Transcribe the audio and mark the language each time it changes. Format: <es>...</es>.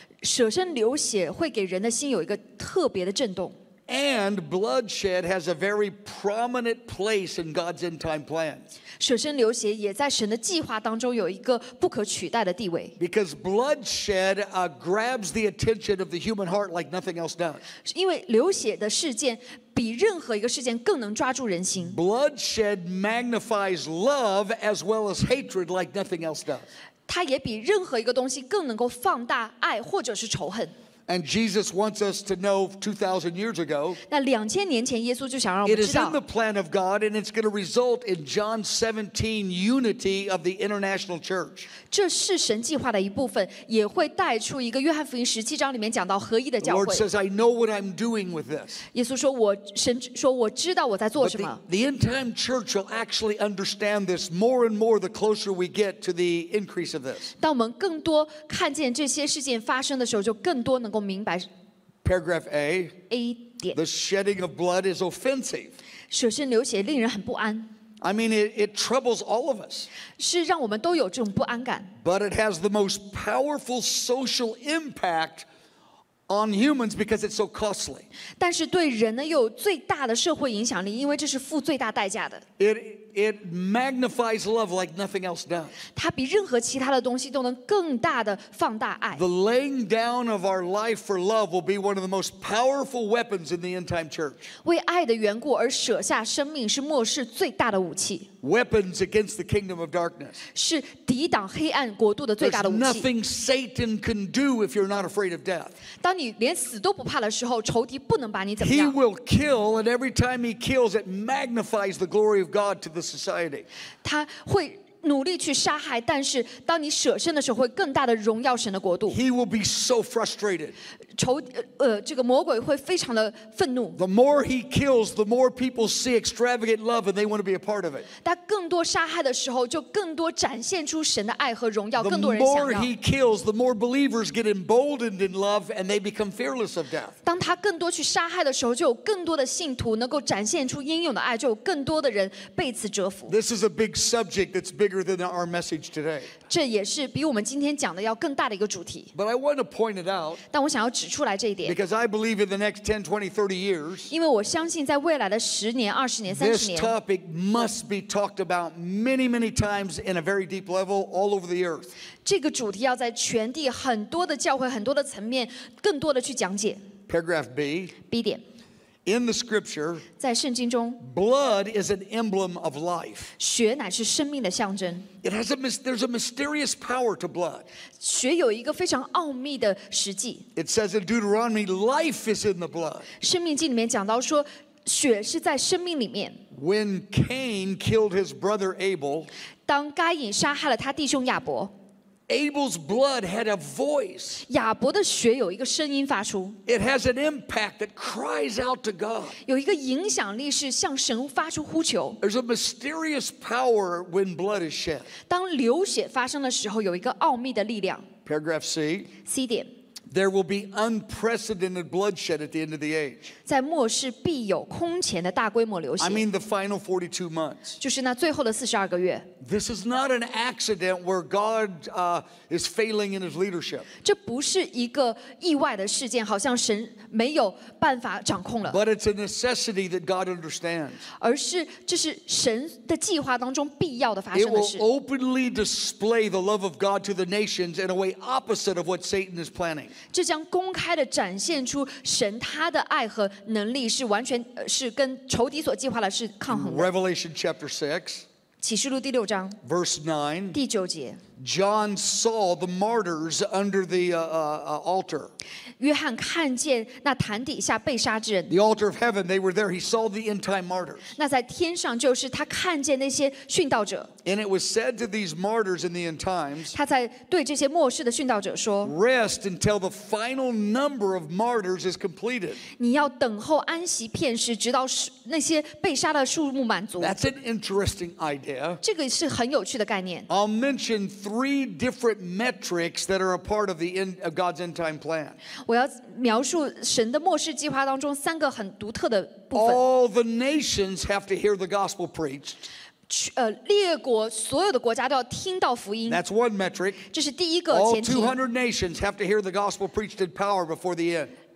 <zh>舍身流血会给人的心有一个特别的震动</zh> <en>And bloodshed has a very prominent place in God's end time plans.</en> <zh>舍身流血也在神的计划当中有一个不可取代的地位。</zh> <en>Because bloodshed grabs the attention of the human heart like nothing else does.</en> <zh>因为流血的事件比任何一个事件更能抓住人心。</zh> <en>Bloodshed magnifies love as well as hatred like nothing else does.</en> <zh>它也比任何一个东西更能够放大爱或者是仇恨。</zh> <en>And Jesus wants us to know 2,000 years ago.</en> <zh>那两千年前，耶稣就想让我们知道。</zh> <en>It is in the plan of God, and it's going to result in John 17 unity of the international church.</en> <zh>这是神计划的一部分，也会带出一个约翰福音十七章里面讲到合一的教会。</zh> <en>Lord says, "I know what I'm doing with this."</en> <zh>耶稣说，我知道我在做什么。</zh> <en>The end time church will actually understand this more and more the closer we get to the increase of this.</en> <zh>当我们更多看见这些事件发生的时候，就更多能。</zh> <en>Paragraph A.</en> <zh>A 点</zh> <en>The shedding of blood is offensive.</en> <zh>舍身流血令人很不安</zh> <en>I mean, it troubles all of us.</en> <zh>是让我们都有这种不安感</zh> <en>But it has the most powerful social impact on humans because it's so costly.</en> <zh>但是对人呢，又有最大的社会影响力，因为这是付最大代价的</zh> <en>It magnifies love like nothing else does.</en> <zh>它比任何其他的东西都能更大的放大爱。</zh> <en>The laying down of our life for love will be one of the most powerful weapons in the end time church.</en> <zh>为爱的缘故而舍下生命是末世最大的武器。</zh> <en>Weapons against the kingdom of darkness.</en> <zh>是抵挡黑暗国度的最大的武器。</zh> <en>There's nothing Satan can do if you're not afraid of death.</en> <zh>当你连死都不怕的时候，仇敌不能把你怎么样。</zh> <en>He will kill, and every time he kills, it magnifies the glory of God to the society.</en> <zh>他会努力去杀害，但是当你舍身的时候，会更大的荣耀神的国度。</zh> <en>He will be so frustrated.</en> <zh>这个魔鬼会非常的愤怒。</zh> <en>The more he kills, the more people see extravagant love, and they want to be a part of it.</en> <zh>他更多杀害的时候，就更多展现出神的爱和荣耀，更多人想要。</zh> <en>The more he kills, the more believers get emboldened in love, and they become fearless of death.</en> <zh>当他更多去杀害的时候，就有更多的信徒能够展现出英勇的爱，就有更多的人被此折服。</zh> <en>This is a big subject that's big. Bigger than our message today.</en> <zh>这也是比我们今天讲的要更大的一个主题。</zh> <en>But I want to point it out.</en> <zh>但我想要指出来这一点。</zh> <en>Because I believe in the next 10, 20, 30 years.</en> <zh>因为我相信在未来的十年、二十年、三十年。</zh> <en>This topic must be talked about many, many times in a very deep level all over the earth.</en> <zh>这个主题要在全地很多的教会、很多的层面更多的去讲解。</zh> <en>Paragraph B.</en> <zh>B 点。</zh> <en>In the scripture,</en> <zh>在圣经中</zh> <en>blood is an emblem of life.</en> <zh>血乃是生命的象征。</zh> <en>It has there's a mysterious power to blood.</en> <zh>血有一个非常奥秘的实际。</zh> <en>It says in Deuteronomy, life is in the blood.</en> <zh>生命记里面讲到说，血是在生命里面。</zh> <en>When Cain killed his brother Abel,</en> <zh>当该隐杀害了他弟兄亚伯。</zh> <en>Abel's blood had a voice.</en> <zh>亚伯的血有一个声音发出。</zh> <en>It has an impact that cries out to God.</en> <zh>有一个影响力是向神发出呼求。</zh> <en>There's a mysterious power when blood is shed.</en> <zh>当流血发生的时候，有一个奥秘的力量。</zh> <en>Paragraph C.</en> <zh>C 点。</zh> <en>There will be unprecedented bloodshed at the end of the age.</en> <zh>在末世必有空前的大规模流血。</zh> <en>I mean the final 42 months.</en> <zh>就是那最后的42个月。</zh> <en>This is not an accident where God is failing in his leadership.</en> <zh>这不是一个意外的事件，好像神没有办法掌控了。</zh> <en>But it's a necessity that God understands.</en> <zh>而是这是神的计划当中必要的发生的事。</zh> <en>It will openly display the love of God to the nations in a way opposite of what Satan is planning.</en> <zh>这将公开的展现出神他的爱和能力是完全是跟仇敌所计划的是抗衡的。</zh> <en>Revelation chapter 6.</en> <zh>启示录第六章</zh> <en>verse 9,</en> <zh>第九节</zh> <en>John saw the martyrs under the altar.</en> <zh>约翰看见那坛底下被杀之人</zh> <en>The altar of heaven, they were there. He saw the end time martyrs.</en> <zh>那在天上就是他看见那些殉道者</zh> <en>And it was said to these martyrs in the end times,</en> <zh>他在对这些末世的殉道者说</zh> <en>Rest until the final number of martyrs is completed.</en> <zh>你要等候安息片时直到那些被杀的数目满足</zh> <en>That's an interesting idea.</en> <zh>这个是很有趣的概念</zh> <en>I'll mention three different metrics that are a part of God's end time plan.</en> <zh>我要描述神的末世计划当中三个很独特的部分</zh> <en>All the nations have to hear the gospel preached.</en> <zh>列国所有的国家都要听到福音</zh> <en>That's one metric.</en> <zh>这是第一个</zh> <en>All 200 nations have to hear the gospel preached in power before the end.</en>